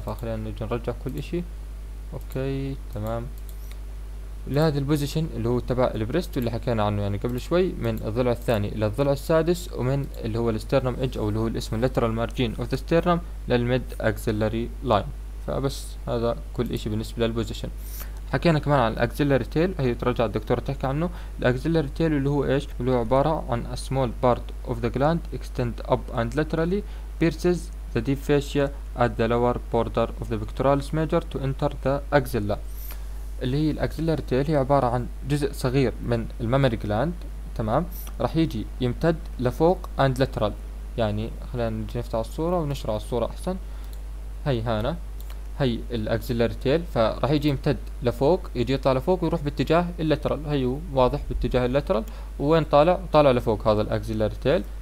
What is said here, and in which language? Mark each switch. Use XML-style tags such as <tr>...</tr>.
<ar>فخلينا نجي نرجع كل اشي، اوكي تمام، لهذه البوزيشن اللي هو تبع البريست اللي حكينا عنه يعني قبل شوي، من الضلع الثاني الى الضلع السادس، ومن اللي هو الاسترنم ايدج او اللي هو الاسم اللاترال مارجين اوف ذا سترنم للميد اكزيلري لاين. فبس هذا كل اشي بالنسبة للبوزيشن. حكينا كمان عن الاكزيلري تيل، هي ترجع الدكتور تحكي عنه. الاكزيلري تيل اللي هو ايش؟ اللي هو عبارة عن</ar> <en>a small part of the gland extend up and laterally pierces the deep fascia at the lower border of the pectoralis major to enter the axilla.</en> <ar>اللي هي الاكزيلري تيل هي عبارة عن جزء صغير من الماماري جلاند، تمام، راح يجي يمتد لفوق</ar> <en>and lateral.</en> <ar>يعني خلينا نجي نفتح الصورة ونشرح الصورة احسن. هي هنا هي الاكزيلري تيل، فراح يجي يمتد لفوق، يجي يطلع لفوق ويروح باتجاه اللاترال، هي واضح باتجاه اللاترال، وين طالع؟ طالع لفوق هذا الاكزيلري تيل.</ar>